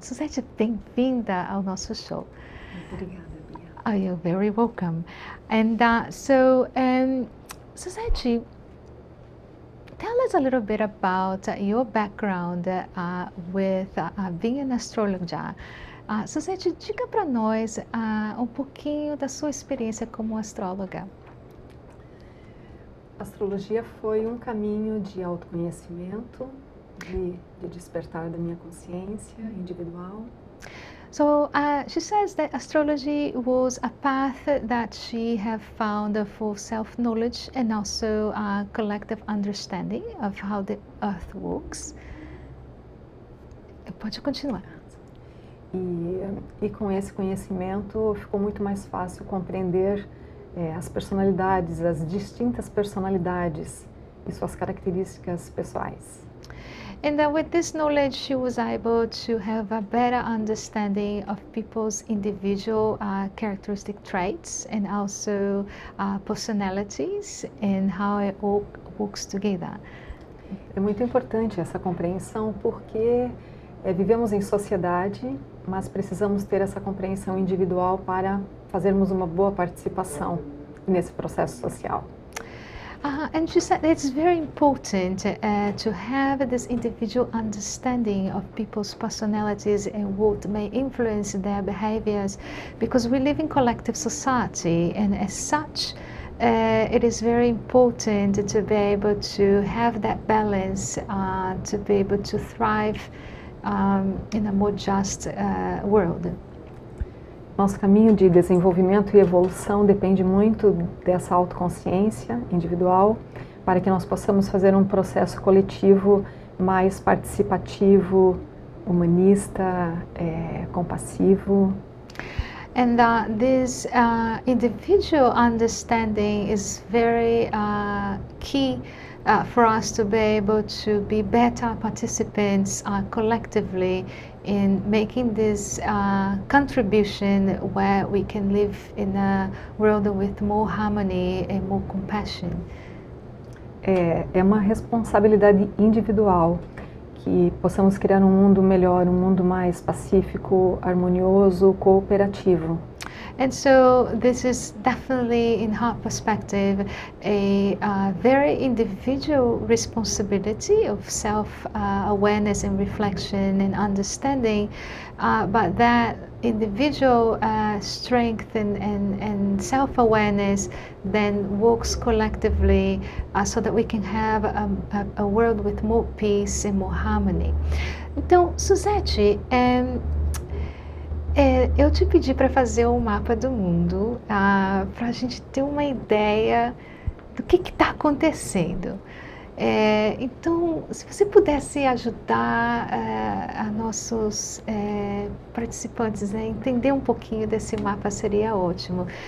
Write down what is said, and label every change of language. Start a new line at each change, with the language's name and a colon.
Portuguese: Suzete, bem-vinda ao nosso show. Obrigada.
English: Oh, you're very welcome. And Suzete, tell us a little bit about your background with being an astrologer.
Portuguese: Suzete, diga para nós um pouquinho da sua experiência como astróloga. Astrologia foi um caminho de autoconhecimento, de despertar da minha consciência individual.
English: So she says that astrology was a path that she have found for self-knowledge and also a collective understanding of how the earth works.
Portuguese: Pode continuar. E com esse conhecimento ficou muito mais fácil compreender as personalidades, as distintas personalidades e suas características pessoais.
English: And that with this knowledge, she was able to have a better understanding of people's individual characteristic traits and also personalities and how it all works together.
Portuguese: É muito importante essa compreensão porque vivemos em sociedade, mas precisamos ter essa compreensão individual para fazermos uma boa participação nesse processo social.
English: And she said it's very important to have this individual understanding of people's personalities and what may influence their behaviors, because we live in collective society, and as such, it is very important to be able to have that balance to be able to thrive in a more just world.
Portuguese: Nosso caminho de desenvolvimento e evolução depende muito dessa autoconsciência individual, para que nós possamos fazer um processo coletivo mais participativo, humanista, compassivo.
English: And this individual understanding is very key for us to be able to be better participants collectively in making this contribution where we can live in a world with more harmony and more compassion.
Portuguese: É uma responsabilidade individual que possamos criar um mundo melhor, um mundo mais pacífico, harmonioso, cooperativo.
English: And so this is definitely, in her perspective, a very individual responsibility of self-awareness and reflection and understanding, but that individual strength and self-awareness then works collectively so that we can have a world with more peace and more harmony.
Portuguese: Então, Suzete, eu te pedi para fazer um mapa do mundo, para a gente ter uma ideia do que está acontecendo. Então, se você pudesse ajudar a nossos participantes a entender um pouquinho desse mapa, seria ótimo.